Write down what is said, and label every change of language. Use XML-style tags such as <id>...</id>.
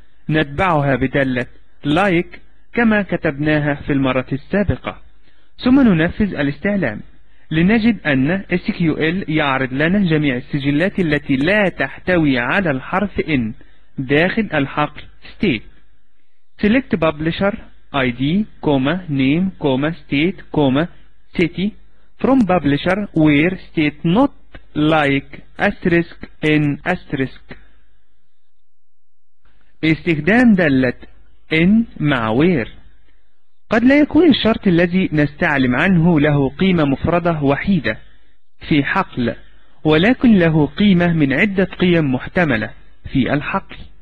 <ar>نتبعها بدالة Like كما كتبناها في المرة السابقة، ثم ننفذ الاستعلام لنجد أن SQL يعرض لنا جميع السجلات التي لا تحتوي على الحرف N داخل الحقل state.</ar> <en>Select Publisher ID, name, state, city from publisher where state not like asterisk in asterisk.</en> <ar>باستخدام دالة in مع where. قد لا يكون الشرط الذي نستعلم عنه له قيمة مفردة وحيدة في حقل، ولكن له قيمة من عدة قيم محتملة في الحقل.</ar>